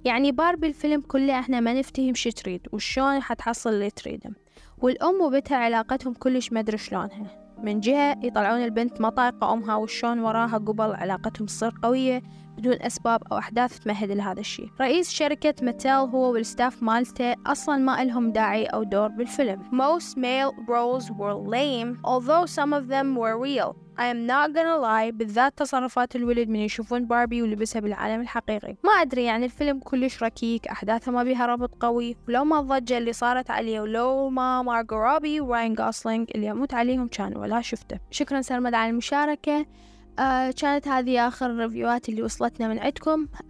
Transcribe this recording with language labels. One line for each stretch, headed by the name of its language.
Arabic: يعني باربي الفيلم كله إحنا ما نفتهم شو تريد وشون حتحصل اللي تريده، والأم وبنتها علاقتهم كلش ما أدري شلونها. من جهة يطلعون البنت مطايقة أمها، وشون وراها قبل علاقتهم تصير قوية بدون أسباب أو أحداث تمهد لهذا الشيء. رئيس شركة ماتيل هو والستاف مالته أصلاً ما لهم داعي أو دور بالفيلم.
English: Most male roles were lame, although some of them were real. I am not gonna lie.
Arabic: بالذات تصرفات الولد من يشوفون باربي ولبسها بالعالم الحقيقي. ما أدري، يعني الفيلم كلش ركيك، أحداثه ما بيها ربط قوي. ولو ما الضجة اللي صارت عليه، ولو ما مارجو روبي وراين غوسلينج اللي يموت عليهم كان ولا شفته. شكراً سرمد على المشاركة. كانت هذه آخر ريفيوات اللي وصلتنا من عندكم.